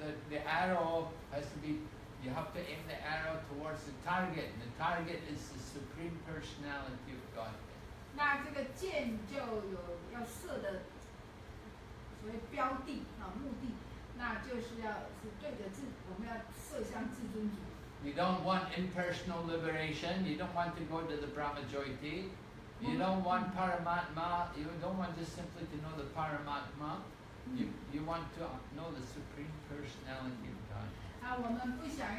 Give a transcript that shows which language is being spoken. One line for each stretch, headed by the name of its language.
English: The arrow has to be, you have to aim the arrow towards the target, and the target is the Supreme Personality of Godhead.
Chinese: 那这个箭就有要射的为标的啊目的，那就是要是对着自，我们要射向至尊主。
English: You don't want impersonal liberation. You don't want to go to the Brahmajyoti. You don't want Paramatma. You don't want just simply to know the Paramatma. You want to know the Supreme Personality of God.